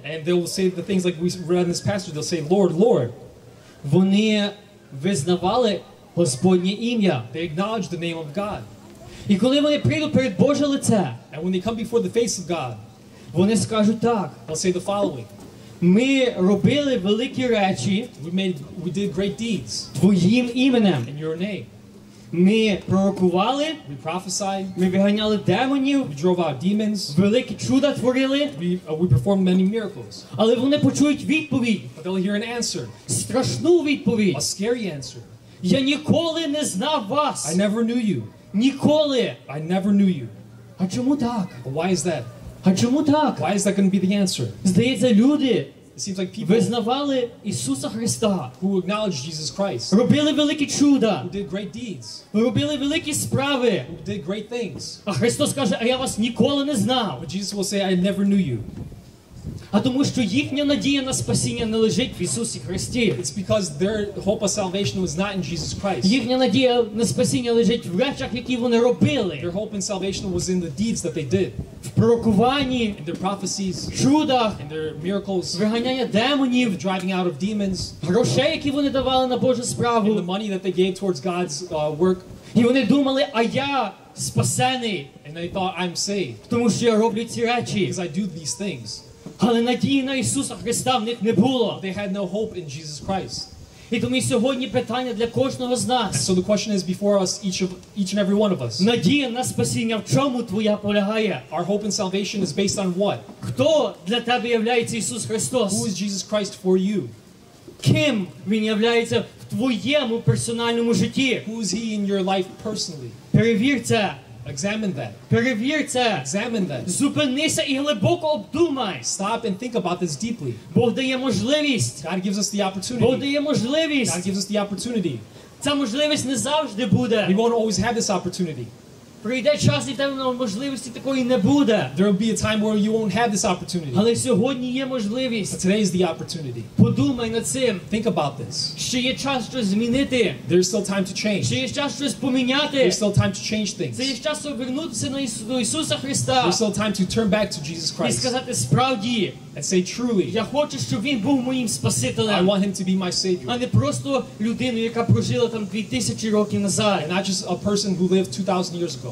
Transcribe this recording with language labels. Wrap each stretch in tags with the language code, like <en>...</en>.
<en>And they will say the things like we read in this passage, they'll say, Lord, Lord.</en> <uk>Вони визнавали Господнє ім'я.</uk> <en>They acknowledge the name of God.</en> <uk>І коли вони прийдуть перед Боже лице,</uk> <en>and when they come before the face of God,</en> <uk>вони скажуть так.</uk> <en>They'll say the following.</en> <uk>Ми робили великі речі.</uk> <en>We did great deeds.</en> <uk>Твоїм іменем.</uk> <en>In your name.</en> <uk>Ми пророкували.</uk> <en>We prophesied.</en> <uk>Ми виганяли демонів.</uk> <en>We drove out demons.</en> <uk>Великі чуда творили.</uk> <en>We performed many miracles.</en> <uk>Але вони почують відповідь.</uk> <en>But they'll hear an answer.</en> <uk>Страшну відповідь.</uk> <en>A scary answer.</en> <uk>Я ніколи не знав вас.</uk> <en>I never knew you.</en> <uk>Ніколи.</uk> <en>I never knew you.</en> <uk>А чому так?</uk> <en>But why is that?</en> <uk>А чому так?</uk> <en>Why is that going to be the answer?</en> <uk>Здається, люди</uk> <en>seems like people</en> <uk>визнавали Ісуса Христа.</uk> <en>Who acknowledged Jesus Christ.</en> <uk>Робили великі чуда.</uk> <en>Who did great deeds.</en> <uk>Робили великі справи.</uk> <en>Who did great things.</en> <uk>А Христос каже, а я вас ніколи не знав.</uk> <en>But Jesus will say, I never knew you.</en> <uk>а тому що їхня надія на спасіння не лежить в Ісусі Христі.</uk> <en>It's because their hope of salvation was not in Jesus Christ.</en> <uk>Їхня надія на спасіння лежить в речах, які вони робили.</uk> <en>Their hope in salvation was in the deeds that they did.</en> <uk>В пророкуванні,</uk> <en>in their prophecies,</en> <uk>чудах,</uk> <en>in their miracles,</en> <uk>виганяння демонів,</uk> <en>driving out of demons,</en> <uk>грошей, які вони давали на Божу справу,</uk> <en>the money that they gave towards God's work.</en> <uk>І вони думали, а я спасений.</uk> <en>And they thought, I'm saved.</en> <uk>Тому що я роблю ці речі.</uk> <en>Because I do these things.</en> <uk>Але надії на Ісуса Христа в них не було.</uk> <en>They had no hope in Jesus Christ.</en> <uk>І тому сьогодні питання для кожного з нас.</uk> <en>And so the question is before us, each and every one of us.</en> <uk>Надія на спасіння в чому твоя полягає?</uk> <en>Our hope in salvation is based on what?</en> <uk>Хто для тебе являється Ісус Христос?</uk> <en>Who is Jesus Christ for you?</en> <uk>Ким він являється в твоєму персональному житті?</uk> <en>Who is he in your life personally?</en> <uk>Перевір це.</uk> <en>Examine that.</en> <uk>Перевір це.</uk> <en>Examine that.</en> <uk>Зупинися і глибоко обдумай.</uk> <en>Stop and think about this deeply.</en> <uk>Бог дає можливість.</uk> <en>God gives us the opportunity.</en> <uk>Бог дає можливість.</uk> <en>God gives us the opportunity.</en> <uk>Ця можливість не завжди буде.</uk> <en>We won't always have this opportunity.</en> <uk>Прийде час, і там можливості такої не буде.</uk> <en>There will be a time where you won't have this opportunity.</en> <uk>Але сьогодні є можливість.</uk> <en>But today is the opportunity.</en> <uk>Подумай над цим.</uk> <en>Think about this.</en> <uk>Ще є час щось змінити.</uk> <en>There's still time to change.</en> <uk>Ще є час щось поміняти.</uk> <en>There's still time to change things.</en> <uk>Ще є час повернутися на Ісуса Христа.</uk> <en>There's still time to turn back to Jesus Christ.</en> <uk>І сказати справді.</uk> <en>And say truly.</en> <uk>Я хочу, щоб він був моїм спасителем.</uk> <en>I want him to be my savior.</en> <uk>А не просто людину, яка прожила там 2000 років назад.</uk> <en>And not just a person who lived 2000 years ago.</en>